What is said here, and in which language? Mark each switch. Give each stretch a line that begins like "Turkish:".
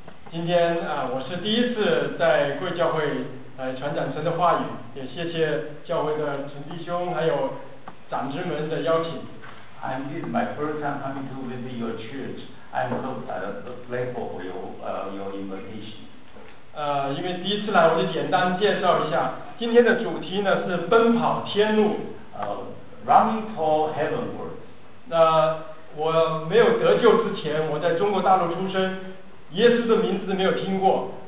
Chinese: 今天啊，我是第一次在贵教会来传讲神的话语，也谢谢教会的陈弟兄还有长之们的邀请。
English: I'm this my first time coming to visit your church. I'm so grateful for your invitation.
Chinese: 因为第一次来，我就简单介绍一下。今天的主题呢是奔跑天路。
English: Running toward heavenward.
Chinese: 那我没有得救之前，我在中国大陆出生，耶稣的名字没有听过。